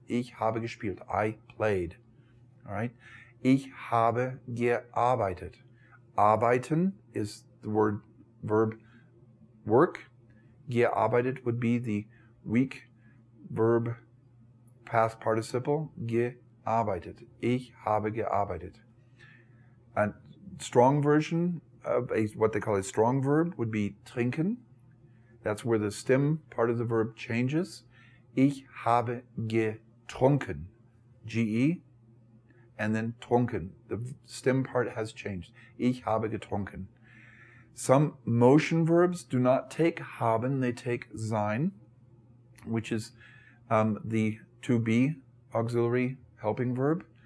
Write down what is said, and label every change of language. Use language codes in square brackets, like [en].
[de] Ich habe gespielt, [en] I played, all right? [de] Ich habe gearbeitet. [en] Arbeiten is the word verb work. Gearbeitet would be the weak verb past participle, gearbeitet. [de] Ich habe gearbeitet. [en] A strong version of what they call a strong verb would be trinken. That's where the stem part of the verb changes. [de] Ich habe getrunken, [en] G-E, and then trunken. The stem part has changed. [de] Ich habe getrunken. [en] Some motion verbs do not take haben, they take sein, which is the to be auxiliary helping verb.